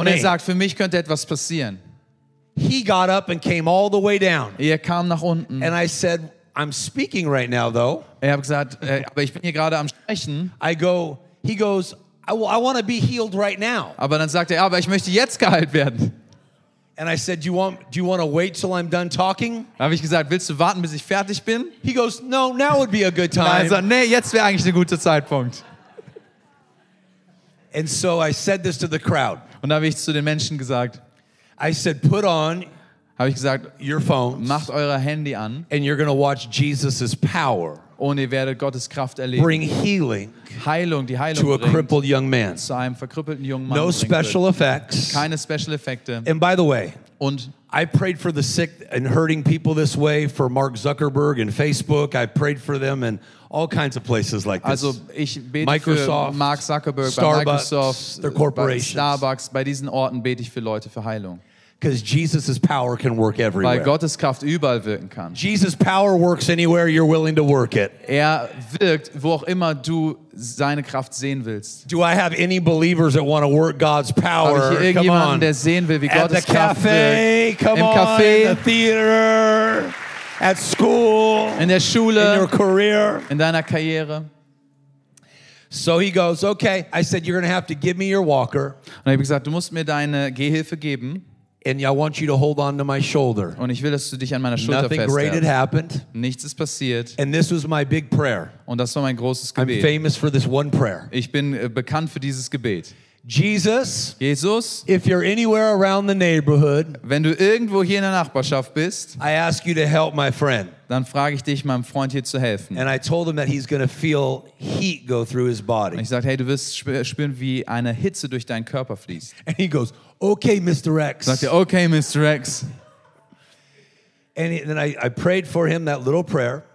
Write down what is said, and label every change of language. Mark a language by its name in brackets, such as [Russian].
[German] Und er sagt, für mich könnte etwas passieren. [English] He got up and came all the way down. [German] Er kam nach unten. [English] And I said, I'm speaking right now, though. [German] Er hat gesagt, aber ich bin hier gerade am Sprechen. [English] I go, he goes, I want to be healed right now. [German] Aber dann sagt er, aber ich möchte jetzt geheilt werden. [English] And I said, do you want to wait till I'm done talking? [German] Habe ich gesagt, willst du warten, bis ich fertig bin? [English] He goes, no, now would be a good time. [German] Er sagt, nee, jetzt wäre eigentlich ein guter Zeitpunkt. [English] And so I said this to the crowd. [German] Und habe ich zu den Menschen gesagt. [English] I said, put on. [German] Habe ich gesagt, [English] your phones, [German] macht eure Handy an, [English] and you're gonna watch Jesus's power, [German] und ihr werdet Gottes Kraft erleben, [English] bring healing, [German] Heilung, die Heilung [English] to a crippled young man, [German] zu einem verkrüppelten jungen Mann, [English] no special effects, [German] keine special Effekte. [English] And by the way, [German] und [English] I prayed for the sick and hurting people this way, for Mark Zuckerberg and Facebook. I prayed for them in all kinds of places like this. [German] Also ich bete Microsoft, für Mark Zuckerberg, [English] Starbucks, [German] bei Microsoft, [English] their corporations, [German] bei Starbucks, bei diesen Orten bete ich für Leute für Heilung. [English] Because Jesus' power can work everywhere. [German] Weil Gottes Kraft überall wirken kann. [English] Jesus' power works anywhere you're willing to work it. [German] Er wirkt, wo auch immer du seine Kraft sehen willst. [English] Do I have any believers that want to work God's power? [German] Habe ich hier irgendjemanden, der sehen will, wie Gottes Kraft wirkt? Im Café, [English] in the theater, at school, [German] in der Schule, [English] in your career, [German] in deiner Karriere. [English] So he goes, okay. I said, you're going to have to give me your walker. [German] Und ich habe gesagt, du musst mir deine Gehhilfe geben. And I want you to hold on to my shoulder. Und ich will, dass du dich an meiner Schulter festhältst. [English] Nothing great had happened. [German] Nichts ist passiert. [English] And this was my big prayer. [German] Und das war mein großes Gebet. [English] I'm famous for this one prayer. [German] Ich bin bekannt für dieses Gebet. [English] Jesus, if you're anywhere around the neighborhood, [German] wenn du irgendwo hier in der Nachbarschaft bist, [English] I ask you to help my friend. [German] Dann frage ich dich, meinem Freund hier zu helfen. [English] And I told him that he's going to feel heat go through his body. [German] Und ich sagte, hey, du wirst spüren, wie eine Hitze durch deinen Körper fließt. [English] And he goes, okay, Mr. X. [German] Sagt er, okay, Mr. X. [English] And then I prayed for him that little prayer.